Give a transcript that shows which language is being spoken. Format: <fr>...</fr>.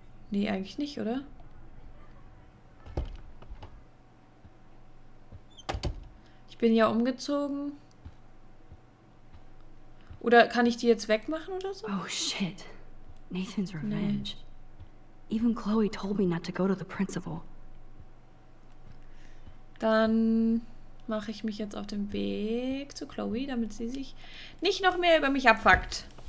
<de>Nee, eigentlich nicht, oder? Ich bin ja umgezogen. Oder kann ich die jetzt wegmachen oder so?</de> <en>Oh shit. Nathan's revenge. Nee. Even Chloe told me not to go to the principal.</en> <de>Dann mache ich mich jetzt auf den Weg zu Chloe, damit sie sich nicht noch mehr über mich abfuckt.</de>